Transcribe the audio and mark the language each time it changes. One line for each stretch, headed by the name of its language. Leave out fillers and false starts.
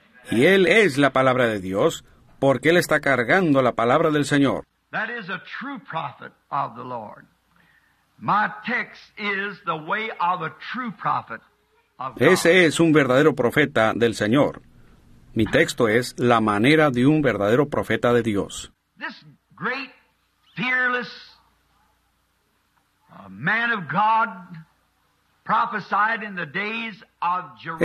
Spanish: Y él es la palabra de Dios, porque él está cargando la palabra del Señor.
English: That is a true prophet of the Lord. My text is the way of a true prophet of God.
Spanish: Ese es un verdadero profeta del Señor. Mi texto es la manera de un verdadero profeta de Dios.
English: This great, fearless man of God prophesied in the days of Jeroboam.